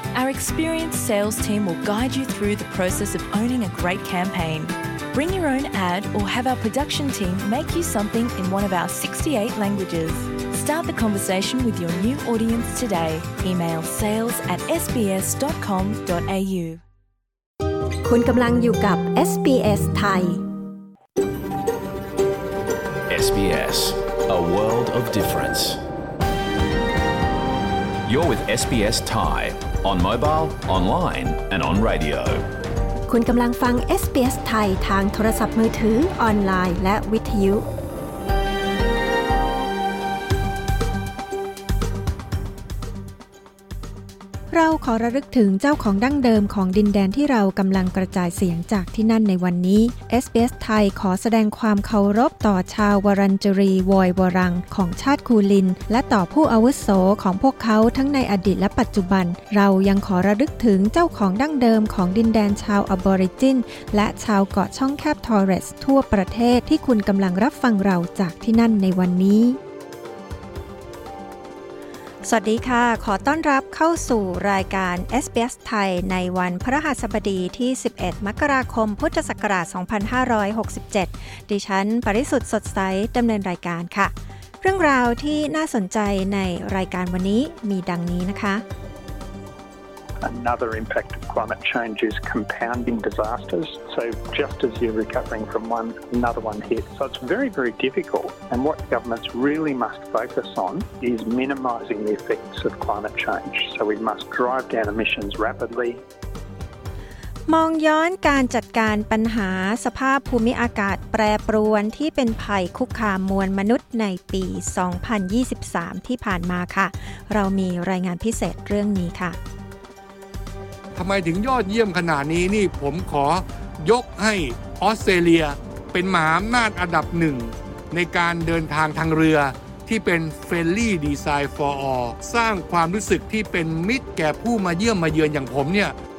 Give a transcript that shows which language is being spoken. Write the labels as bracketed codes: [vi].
[en] Our experienced sales team will guide you through the process of owning a great campaign. Bring your own ad or have our production team make you something in one of our 68 languages. Start the conversation with your new audience today. Email sales@sbs.com.au. [th] คุณกำลังอยู่กับ SBS ไทย [en] SBS, a world of difference. You're with SBS Thai on mobile, online and on radio. [th] คุณกำลังฟัง SBS ไทยทางโทรศัพท์มือถือออนไลน์และวิทยุเราขอระลึกถึงเจ้าของดั้งเดิมของดินแดนที่เรากำลังกระจายเสียงจากที่นั่นในวันนี้ SBS ไทยขอแสดงความเคารพต่อชาววรันจรีวอยวรังของชาติคูลินและต่อผู้อาวุโสของพวกเขาทั้งในอดีตและปัจจุบันเรายังขอระลึกถึงเจ้าของดั้งเดิมของดินแดนชาวอบอริจินและชาวเกาะช่องแคบทอร์เรสทั่วประเทศที่คุณกำลังรับฟังเราจากที่นั่นในวันนี้ สวัสดีค่ะขอต้อนรับเข้าสู่รายการ SBS ไทยในวันพฤหัสบดีที่11มกราคมพุทธศักราช2567ดิฉันปริสุทธ์สดใสดำเนินรายการค่ะเรื่องราวที่น่าสนใจในรายการวันนี้มีดังนี้นะคะ [en] Another impact of climate change is compounding disasters so just as you're recovering from one another one hits so it's very very difficult and what governments really must focus on is minimizing the effects of climate change so we must drive down emissions rapidly [th] มองย้อนการจัดการปัญหาสภาพภูมิอากาศแปรปรวนที่เป็นภัยคุกคามมวลมนุษย์ในปี2023ที่ผ่านมาค่ะเรามีรายงานพิเศษเรื่องนี้ค่ะ ทำไมถึงยอดเยี่ยมขนาดนี้นี่ผมขอยกให้ออสเตรเลียเป็นมหาอำนาจอันดับหนึ่งในการเดินทางทางเรือที่เป็น [en] Friendly Design for All [th] สร้างความรู้สึกที่เป็นมิตรแก่ผู้มาเยี่ยมมาเยือนอย่างผมเนี่ย